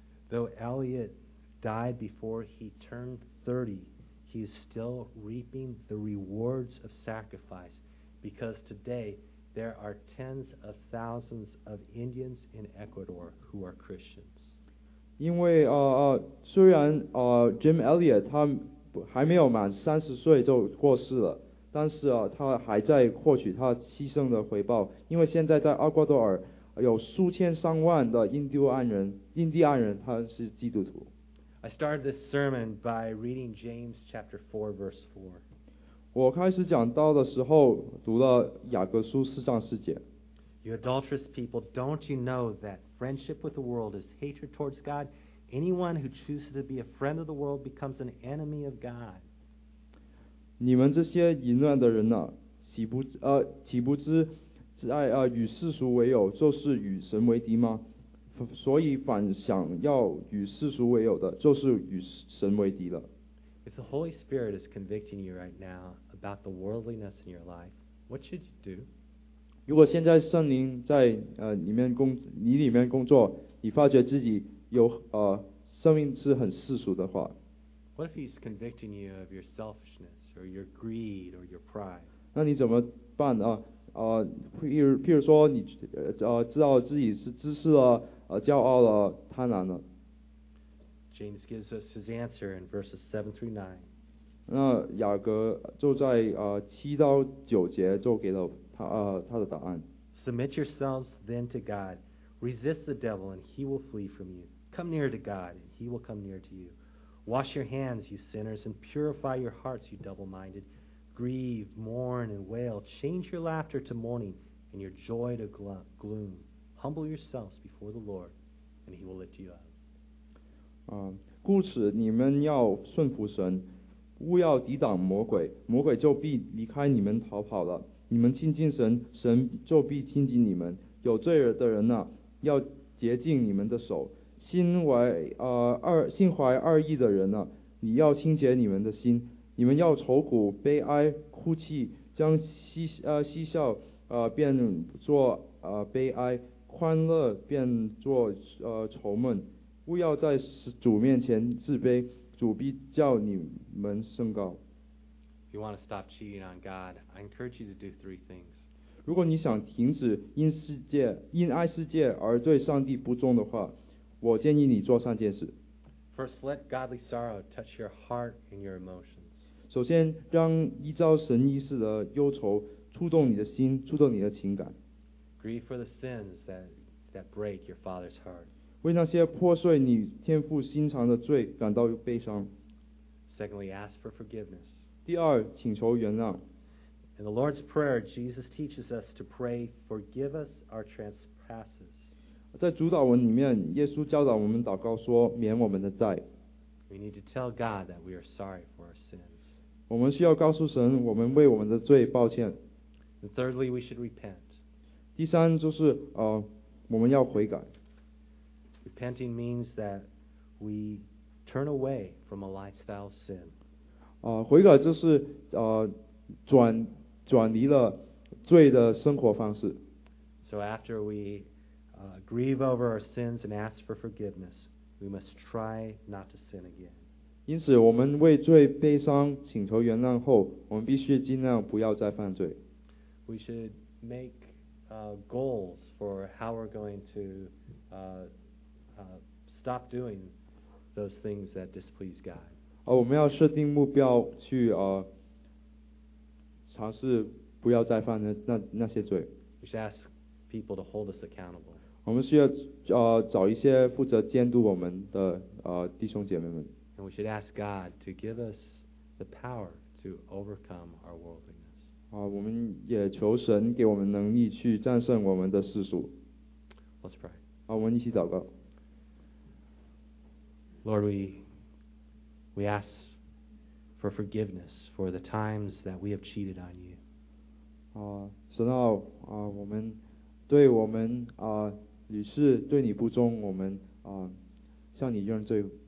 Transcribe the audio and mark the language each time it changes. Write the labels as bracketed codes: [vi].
[en] Though Elliot died before he turned 30, he is still reaping the rewards of sacrifice because today there are tens of thousands of Indians in Ecuador who are Christians. [zh] 因为虽然Jim Elliot 他还没有满30岁就过世了，但是他还在获取他牺牲的回报，因为现在在厄瓜多尔有数千上万的印第安人他是基督徒。 [en] I started this sermon by reading James chapter 4 verse 4. [zh] 我开始讲道的时候读了雅各书四章四节。 [en] You adulterous people, don't you know that friendship with the world is hatred towards God? Anyone who chooses to be a friend of the world becomes an enemy of God. [zh] 你们这些淫乱的人啊，岂不知在与世俗为友，就是与神为敌吗？所以反想要与世俗为友的，就是与神为敌了。 [en] If the Holy Spirit is convicting you right now about the worldliness in your life, what should you do? [zh] 如果现在圣灵在里面工作，你发觉自己有生命是很世俗的话。 [en] What if he's convicting you of your selfishness or your greed or your pride? [zh] 那你怎么办啊？譬如说你知道自己是自私了。骄傲了，贪婪了。 [en] James gives us his answer in verses 7-9. [zh] 那雅各就在七到九节就给了他的答案。 [en] Submit yourselves then to God. Resist the devil and he will flee from you. Come near to God and he will come near to you. Wash your hands, you sinners, and purify your hearts, you double-minded. Grieve, mourn, and wail. Change your laughter to mourning and your joy to gloom. Humble yourselves before the Lord, and He will lift you up. [zh] 故此你们要顺服神，勿要抵挡魔鬼，魔鬼就必离开你们逃跑了。你们亲近神，神就必亲近你们。有罪的人呐，要洁净你们的手；心怀二意的人呐，你要清洁你们的心。你们要愁苦、悲哀、哭泣，将嬉笑变作悲哀。欢乐变作愁闷，勿要在主面前自卑，主必叫你们升高。 [en] If you want to stop cheating on God, I encourage you to do three things. [zh] 如果你想停止因爱世界而对上帝不忠的话，我建议你做三件事。 [en] First, let godly sorrow touch your heart and your emotions. [zh] 首先，让依照神意识的忧愁触动你的心，触动你的情感。 [en] Grieve for the sins that break your father's heart. [zh] 为那些破碎你天父心肠的罪感到悲伤。 [en] Secondly, ask for forgiveness. [zh] 第二，请求原谅。 [en] In the Lord's Prayer, Jesus teaches us to pray, "Forgive us our trespasses." [zh] 在主导文里面，耶稣教导我们祷告说，免我们的债。 [en] We need to tell God that we are sorry for our sins. [zh] 我们需要告诉神我们为我们的罪抱歉。 [en] And thirdly, we should repent. [zh] 第三就是我们要悔改。 [en] Repenting means that we turn away from a lifestyle sin. [zh] 悔改就是转离了罪的生活方式。 [en] So after we grieve over our sins and ask for forgiveness, we must try not to sin again. [zh] 因此我们为罪悲伤请求原谅后我们必须尽量不要再犯罪。 [en] We should make goals for how we're going to stop doing those things that displease God. [zh] 我们要设定目标去尝试不要再犯 那些罪。 [en] We should ask people to hold us accountable. [zh] 我们需要找一些负责监督我们的弟兄姐妹们。 [en] And we should ask God to give us the power to overcome our worldliness. [zh] 我们也求神给我们能力去战胜我们的世俗。 [en] Let's pray. [zh] 我们一起祷告。 [en] Lord, we ask for forgiveness for the times that we have cheated on you. [zh] 神啊，我们对我们屡次对你不忠，我们向你认罪。